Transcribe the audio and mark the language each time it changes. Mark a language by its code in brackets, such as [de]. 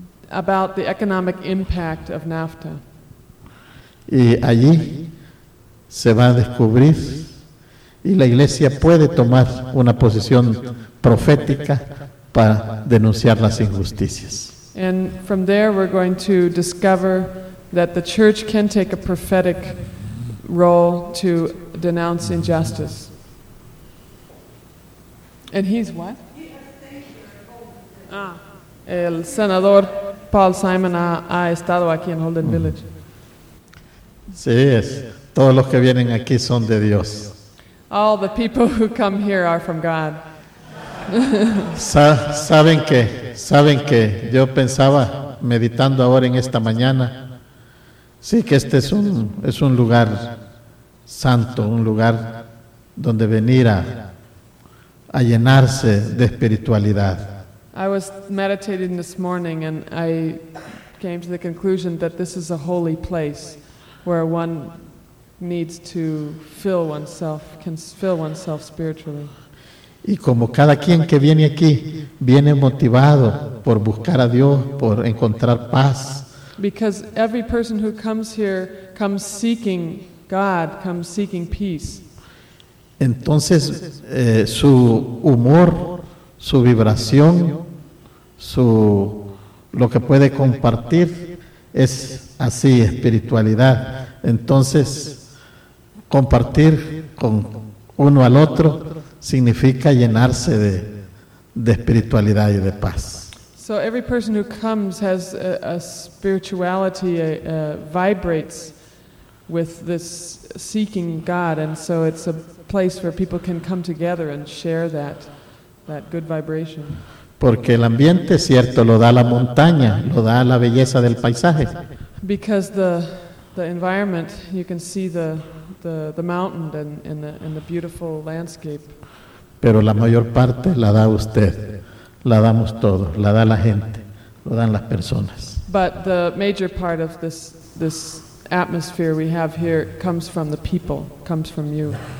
[en] About the economic impact of NAFTA. [es] Y allí se va a descubrir y la iglesia puede tomar una posición profética para denunciar las injusticias. [en] And from there we're going to discover that the church can take a prophetic role to denounce injustice. And he's what? [es] Ah, el senador Paul Simon ha estado aquí en Holden Village. Sí, es. Todos los que vienen aquí son de Dios. [en] All the people who come here are from God. [es] saben que yo pensaba, meditando ahora en esta mañana, sí, que este es un lugar santo, un lugar donde venir a llenarse de espiritualidad. [en] I was meditating this morning and I came to the conclusion that this is a holy place where one needs to fill oneself, can fill oneself spiritually. [es] Y como cada quien que viene aquí viene motivado por buscar a Dios, por encontrar paz, [en] Because every person who comes here comes seeking God, comes seeking peace. [es] Entonces, su humor, su vibración, su lo que puede compartir es así, espiritualidad. Entonces, compartir con uno al otro significa llenarse de espiritualidad y de paz. [en] So every person who comes has a spirituality, vibrates with this seeking God, and so it's a place where people can come together and share that good vibration. [es] Porque el ambiente, cierto, lo da la montaña, lo da la belleza del paisaje. [en] Because the environment, you can see the mountain and the beautiful landscape. [es] Pero la mayor parte la da usted. La damos todos, la da la gente, lo dan las personas. [en] But the major part of this atmosphere we have here comes from the people, comes from you.